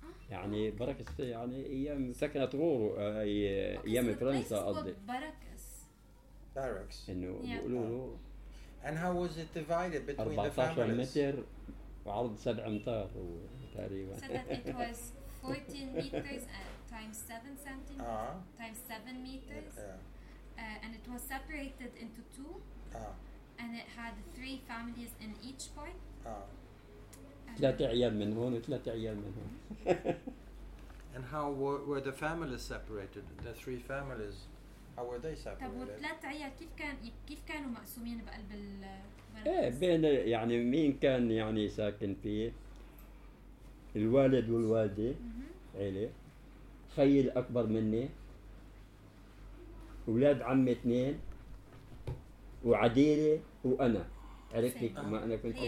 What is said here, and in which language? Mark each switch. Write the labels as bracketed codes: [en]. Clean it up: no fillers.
[ar] يعني بركس يعني ايام سكنت غور اي ايام فرنسا قضي باركس انه بيقولوا له [en] and how was it divided between the families 14 [ar] متر وعرض 7 امتار هو تقريبا [en] so that it was 14 meters times 7 centimeters times 7 meters and it was separated into two and it had three families in each point [ar] ثلاثة عيال من هون وثلاثة عيال من هون. [en] And how were the families separated? The three families, how were they separated? [ar] طب وثلاثة عيال كيف كانوا مقسومين بقلب ال. بين يعني مين كان يعني ساكن فيه الوالد والوالدة عيلة خي الأكبر مني أولاد عمي اثنين وعديلة وأنا عرفتي ما أنا كنت